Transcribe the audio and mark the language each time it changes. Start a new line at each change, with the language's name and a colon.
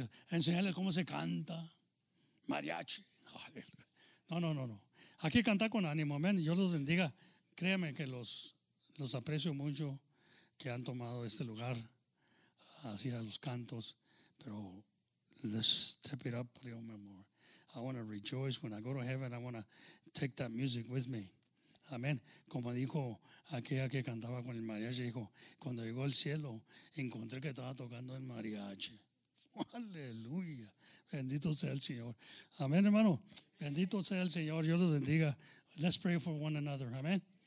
Spanish: Enseñarle cómo se canta. Mariachi. No. Hay que cantar con ánimo. Amén. Dios los bendiga. Créame que los aprecio mucho que han tomado este lugar hacia los cantos.
English: Pero let's step it up a little bit more. I want to rejoice when I go to heaven. I want to take that music with me.
Spanish: Amén. Como dijo aquella que cantaba con el mariachi, dijo, cuando llegó al cielo, encontré que estaba tocando el mariachi. Aleluya. Bendito sea el Señor. Amén, hermano. Bendito sea el Señor. Dios los bendiga.
English: Let's pray for one another.
Spanish: Amén.